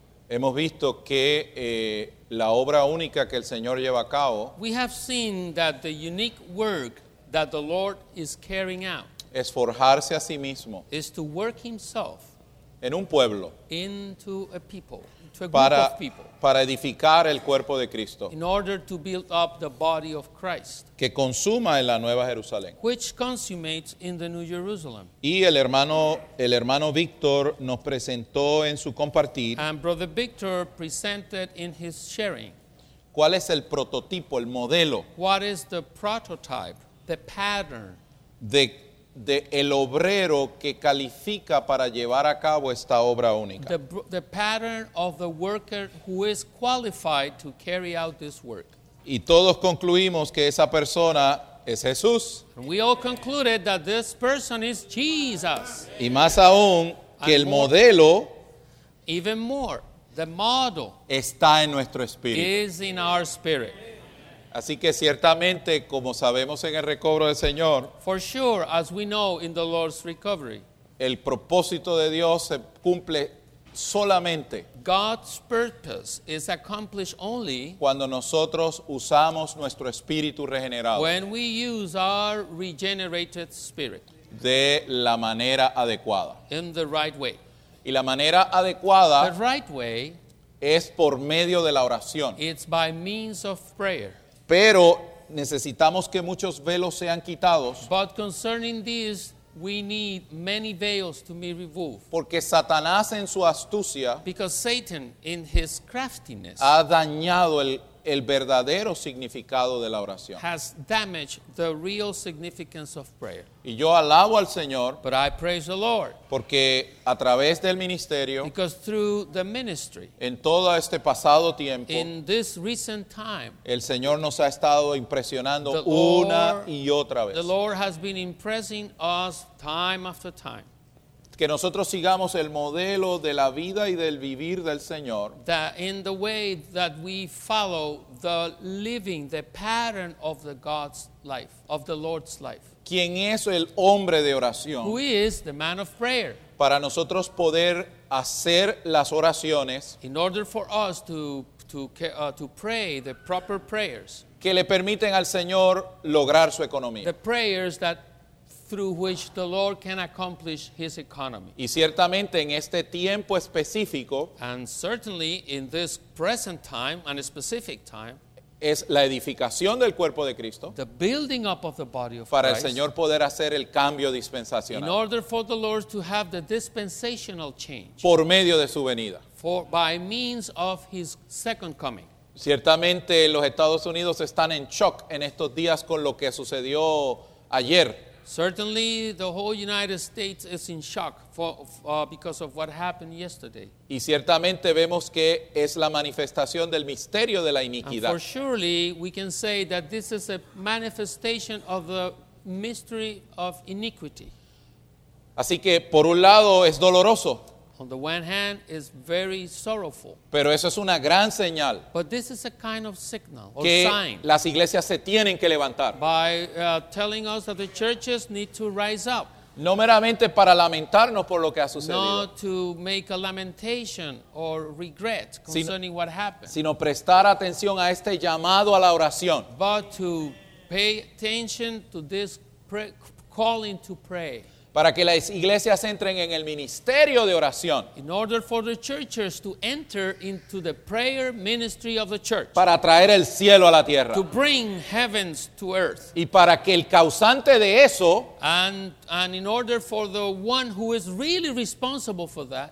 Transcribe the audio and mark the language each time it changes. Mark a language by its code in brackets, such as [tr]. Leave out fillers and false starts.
[es] Hemos visto que la obra única que el Señor lleva a cabo, [en] we have seen that the unique work that the Lord is carrying out, [es] es forjarse a sí mismo, [en] is to work himself [es] en un pueblo, [en] into a people, into a [es] para, [en] group of people, [es] para edificar el cuerpo de Cristo, [en] in order to build up the body of Christ, [es] que consuma en la Nueva Jerusalén, [en] which consummates in the New Jerusalem. [es] Y el hermano Víctor nos presentó en su compartir, [en] and Brother Victor presented in his sharing, [es] ¿cuál es el prototipo, el modelo? [en] What is the prototype, the pattern? [es] De el obrero que califica para llevar a cabo esta obra única. [en] The pattern of the worker who is qualified to carry out this work. [es] Y todos concluimos que esa persona es Jesús. [en] And we all concluded that this person is Jesus. [es] Y más aún que el modelo, [en] even more, the model, [es] está en nuestro espíritu. [en] Is in our spirit. [es] Así que ciertamente, como sabemos en el recobro del Señor, [en] for sure, as we know in the Lord's recovery, [es] el propósito de Dios se cumple solamente, [en] God's purpose is accomplished only, [es] cuando nosotros usamos nuestro espíritu regenerado, [en] when we use our regenerated spirit, [es] de la manera adecuada, [en] in the right way. [es] Y la manera adecuada, [en] the right way, [es] es por medio de la oración. [en] It's by means of prayer. [es] Pero necesitamos que muchos velos sean quitados. [en] But concerning this, we need many veils to be removed. [es] Porque Satanás en su astucia, [en] because Satan in his craftiness, [es] ha dañado el verdadero significado de la oración. [en] Has damaged the real significance of prayer. [es] Y yo alabo al Señor, [en] but I praise the Lord, [es] porque a través del ministerio, [en] because through the ministry, [es] en todo este pasado tiempo, [en] in this recent time, [es] el Señor nos ha estado impresionando una y otra vez. [en] The Lord has been impressing us time after time. [es] Que nosotros sigamos el modelo de la vida y del vivir del Señor. [en] That in the way that we follow the living, the pattern of the God's life, of the Lord's life. [es] ¿Quién es el hombre de oración? [en] Who is the man of prayer? [es] Para nosotros poder hacer las oraciones. [en] In order for us to pray the proper prayers. [es] Que le permiten al Señor lograr su economía. [en] The prayers that through which the Lord can accomplish his economy. [es] Y ciertamente en este tiempo específico, [en] and certainly in this present time and a specific time, [es] es la edificación del cuerpo de Cristo, [en] the building up of the body of [es] para [en] Christ, [es] el Señor poder hacer el cambio dispensacional, [en] in order for the Lord to have the dispensational change, [es] por medio de su venida, [en] for by means of his second coming. [es] Ciertamente los Estados Unidos están en shock en estos días con lo que sucedió ayer. [en] Certainly, the whole United States is in shock because of what happened yesterday. [es] Y ciertamente vemos que es la manifestación del misterio de la iniquidad. [en] And for surely, we can say that this is a manifestation of the mystery of iniquity. [es] Así que, por un lado, es doloroso. [en] On the one hand, it's very sorrowful. [es] Pero eso es una gran señal. [en] But this is a kind of signal or [es] que [en] sign. [es] Las iglesias se tienen que levantar. [en] By telling us that the churches need to rise up. [es] No meramente para lamentarnos por lo que ha sucedido. [en] Not to make a lamentation or regret concerning what happened. [es] Sino prestar atención a este llamado a la oración. [en] But to pay attention to this calling to pray. [es] Para que las iglesias entren en el ministerio de oración. [en] In order for the churches to enter into the prayer ministry of the church. [es] Para traer el cielo a la tierra. [en] To bring heavens to earth. [es] Y para que el causante de eso. [en] And in order for the one who is really responsible for that.